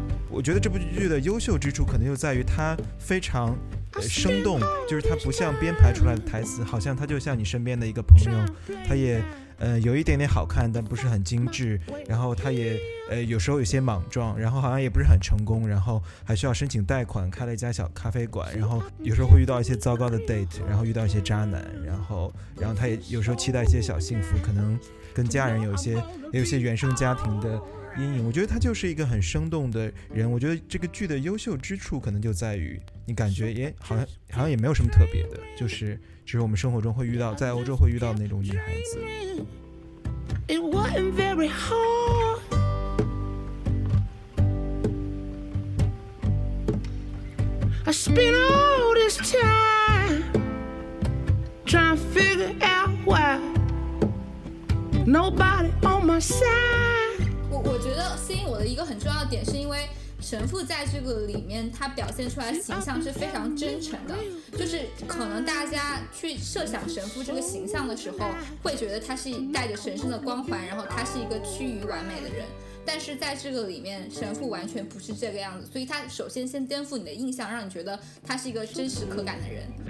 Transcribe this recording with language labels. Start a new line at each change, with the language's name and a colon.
Chinese: 我觉得这部剧的优秀之处可能又在于它非常生动，就是它不像编排出来的台词，好像它就像你身边的一个朋友，它也有一点点好看，但不是很精致，然后它也有时候有些莽撞，然后好像也不是很成功，然后还需要申请贷款开了一家小咖啡馆，然后有时候会遇到一些糟糕的 date， 然后遇到一些渣男，然后他也有时候期待一些小幸福，可能跟家人有一些原生家庭的阴影。我觉得他就是一个很生动的人，我觉得这个剧的优秀之处可能就在于你感觉也好像也没有什么特别的，就是只是我们生活中会遇到，在欧洲会遇到的那种女孩子。
English: It wasn't very hard I spent all this time trying to figure out why nobody on my side。
Chinese: 我觉得吸引我的一个很重要的点是因为神父在这个里面他表现出来形象是非常真诚的，就是可能大家去设想神父这个形象的时候会觉得他是带着神圣的光环，然后他是一个趋于完美的人，但是在这个里面神父完全不是这个样子，所以他首先先颠覆你的印象，让你觉得他是一个真实可感的人。